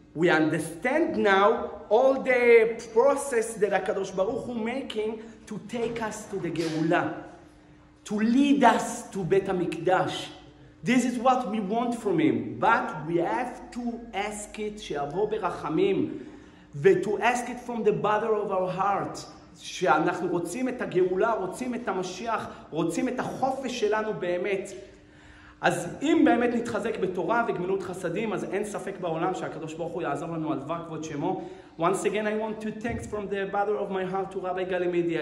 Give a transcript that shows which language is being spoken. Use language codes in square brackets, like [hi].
[en] We understand now all the process that HaKadosh Baruch Hu making to take us to the Geula, to lead us to Beit HaMikdash. This is what we want from him. But we have to ask it, [he] שיבוא ברחמים, to ask it from the bottom of our heart, שאנחנו רוצים את הגאולה, רוצים את המשיח, רוצים את החופש שלנו באמת. אז אם באמת נתחזק בתורה וגמילות חסדים, אז אין ספק בעולם שהקדוש ברוך הוא יעזור לנו על דבר כבוד שמו. [en] Once again, I want to thank from the bottom of my heart to Rabbi Galimidi.